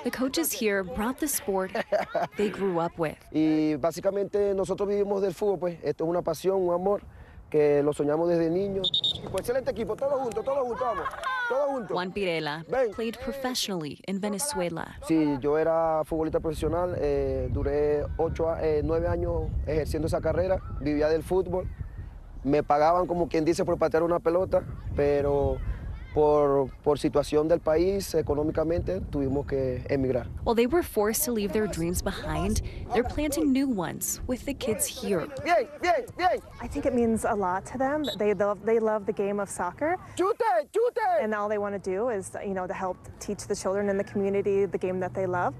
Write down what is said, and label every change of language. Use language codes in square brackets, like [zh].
[en] The coaches here brought the sport they grew up with. [es] Y básicamente nosotros vivimos del fútbol, pues. Esto es una pasión, un amor que lo soñamos desde niños. Pues excelente equipo, todos juntos, vamos. [en] Juan Pirela played professionally in Venezuela. [es] Sí, yo era futbolista profesional. Duré 9 años ejerciendo esa carrera. Vivía del fútbol. Me pagaban, como quien dice, por patear una pelota, pero por situación del país, económicamente, tuvimos que emigrar. [en] While they were forced to leave their dreams behind, they're planting new ones with the kids here. [es] Bien. [en] I think it means a lot to them. They love the game of soccer. [es] Chute. [en] And all they want to do is, you know, to help teach the children in the community the game that they love.